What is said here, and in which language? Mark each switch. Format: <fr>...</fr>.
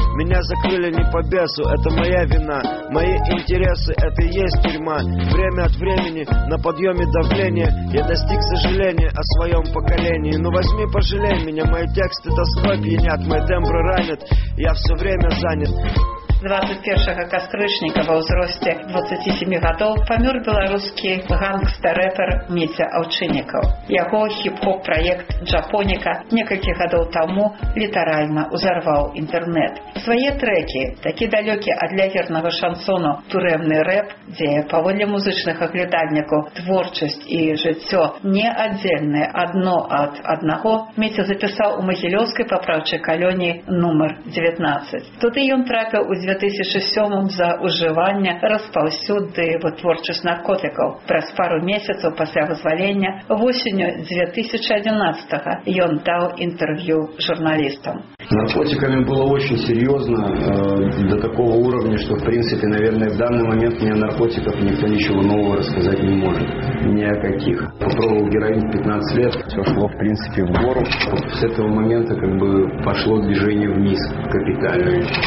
<ru>Меня закрыли не по бесу, это моя вина. Мои интересы, это и есть тюрьма. Время от времени, на подъеме давления, я достиг сожаления о своем поколении. Ну возьми, пожалей меня, мои тексты тоской пьянят, мои тембры ранят, я все время занят.</ru> <be>21 кастрычніка ва ўзросце 27 гадоў памёр беларускі гангстер-рэпер Міця Аўчыннікаў. Яго хіп-хоп-праект «Джапоніка» некалькі гадоў таму літаральна ўзарваў інтэрнэт. Свае трэкі, такі далёкі ад лагернага шансону «Турэмны рэп», дзе паводле музычных аглядальнікаў творчасць і жыццё не аддзельныя адно ад аднаго, Міця запісаў у магілёўскай папраўчай калоніі нумар 19. Туды ён трапіў у 2007 за ўжыванне распаўсюды вытворчасць наркотыкаў. Праз пару месяцаў пасля вызвалення, восенню 2011-го, ён даў інтэрв'ю журналістам.</be> <ru>Наркотиками было очень серьезно, до такого уровня, что, в принципе, наверное, в данный момент мне о наркотиках никто ничего нового рассказать не может. Ни о каких. Попробовал героин 15 лет, все шло, в принципе, в гору. С этого момента как бы пошло движение вниз капитальное.</ru>